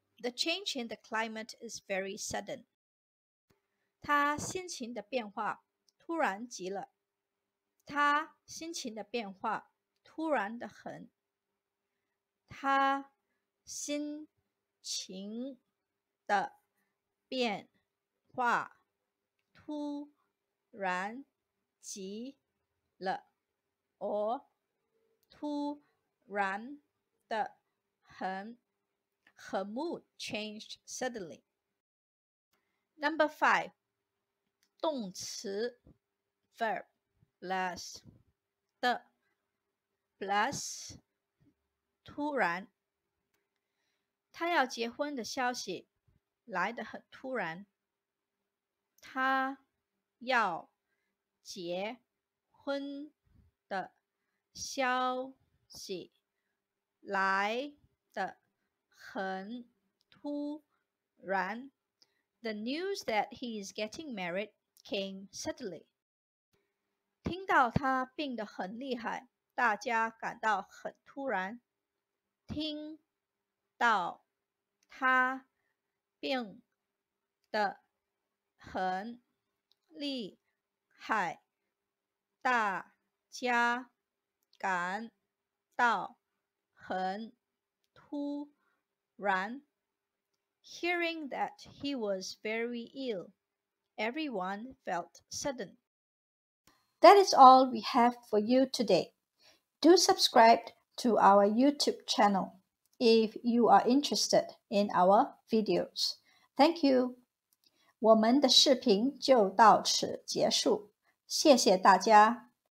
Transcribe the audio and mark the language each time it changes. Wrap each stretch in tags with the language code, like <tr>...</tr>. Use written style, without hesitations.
<en>The change in the climate is very sudden.</en> <zh>他心情的变化突然急了。他心情的变化突然得很。他心情的变化突然急了 or 突然的很。</zh> <en>Her mood changed suddenly. Number 5.</en> <zh>动词</zh> <en>verb. Plus,</en> <zh>的 plus, 突然。他要结婚的消息来得很突然。他要结婚的消息来得很突然。</zh> <en>The news that he is getting married came suddenly.</en> <zh>听到他病得很厉害，大家感到很突然。听到他病得很厉害，大家感到很突然。</zh> <en>Hearing that he was very ill, everyone felt sudden. That is all we have for you today. Do subscribe to our YouTube channel if you are interested in our videos. Thank you.</en> <zh>我们的视频就到此结束。谢谢大家。</zh>